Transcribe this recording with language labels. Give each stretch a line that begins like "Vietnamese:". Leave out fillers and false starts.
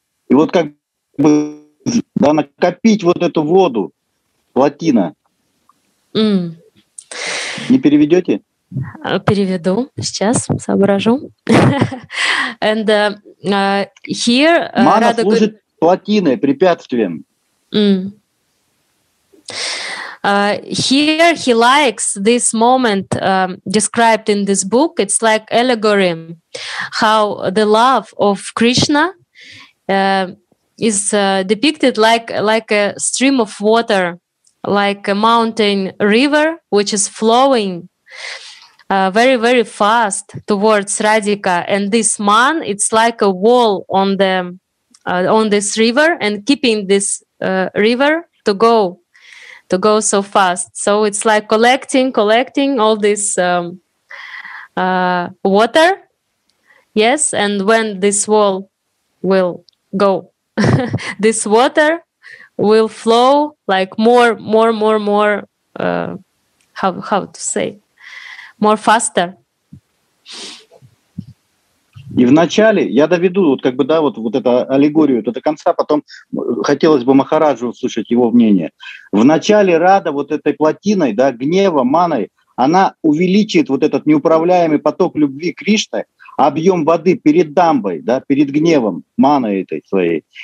Russian: И вот как бы да, накопить вот эту воду, плотина. Не переведете? Переведу, сейчас соображу.
English: And here...
Russian: Мана служит... плотиной, препятствием.
English: Here he likes this moment described in this book. It's like allegory, how the love of Krishna is depicted like a stream of water, like a mountain river, which is flowing very, very fast towards Radhika. And this man, it's like a wall on the on this river and keeping this river to go so fast. So it's like collecting all this water. Yes, and when this wall will go, this water will flow like more how to say, more faster.
Russian: И вначале я доведу вот как бы да вот эту аллегорию до конца, потом хотелось бы Махараджу услышать его мнение. Вначале Рада вот этой плотиной, да, гнева, маной, она увеличивает вот этот неуправляемый поток любви Кришны, объем воды перед дамбой, да, перед гневом, маной этой своей.